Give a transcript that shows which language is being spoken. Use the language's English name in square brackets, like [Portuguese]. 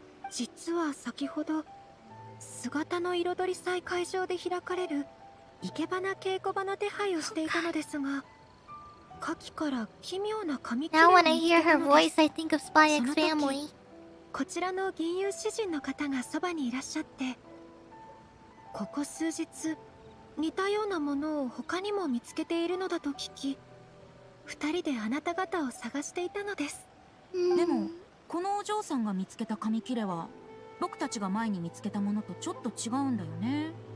[Japanese] 実は先ほど、姿の彩り祭会場で開かれる生け花稽古場の手配をしていたのですが、カキから奇妙な髪切れを見つけたのです。 [English] Now when I hear her voice, I think of Spy X Family. [Japanese] こちらの吟遊詩人の方がそばにいらっしゃって、ここ数日似たようなものを他にも見つけているのだと聞き、二人であなた方を探していたのです。でもこのお嬢さんが見つけた紙切れは僕たちが前に見つけたものとちょっと違うんだよね。